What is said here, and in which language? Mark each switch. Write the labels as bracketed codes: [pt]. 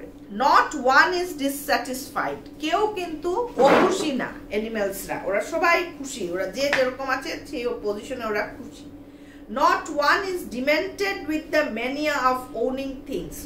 [en] Not one is dissatisfied. [bn] কেউ কিন্তু খুশি না অ্যানিমালসরা ওরা সবাই খুশি ওরা যে যেরকম আছে সেই পজিশনে ওরা খুশি. [en] Not one is demented with the mania of owning things.